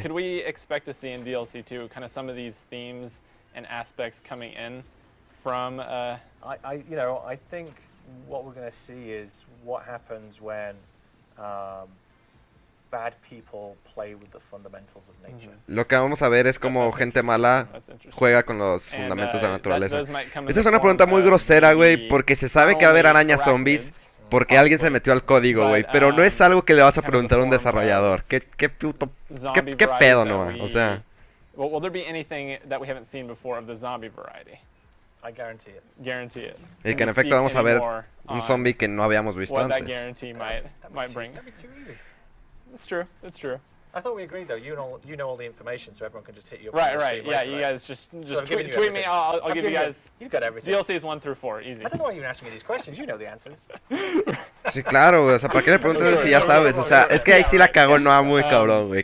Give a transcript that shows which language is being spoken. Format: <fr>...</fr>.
<en>Could we expect to see in DLC 2 kind of some of these themes and aspects coming in from... I think what we're going to see is what happens when bad people play with the fundamentals of nature. Mm-hmm.</en> <es>Lo que vamos a ver es cómo gente mala juega con los fundamentos de la naturaleza. Esta es una pregunta muy grosera, güey, porque se sabe que va a haber arañas zombies porque alguien se metió al código, güey. Pero no es algo que le vas a preguntar a un desarrollador. ¿Qué pedo, no? O sea...</es> <en>Will there be anything that we haven't seen before of the zombie variety? I guarantee it. Guarantee it.</en> <es>Y que en efecto vamos a ver un zombie que no habíamos visto antes.</es> <en>What that guarantee might bring. That'd be too easy. It's true. I thought we agreed, though. You know all the information, so everyone can just hit you up. Right. Yeah, you guys just tweet me. I'll give you guys... He's got everything. DLC is 1-4. Easy. I don't know why you're asking me these questions. You know the answers.</en> <es>Sí, claro, güey. O sea, ¿para qué le preguntas si ya sabes? O sea, es que ahí sí la cagó Noa muy cabrón, güey.</es>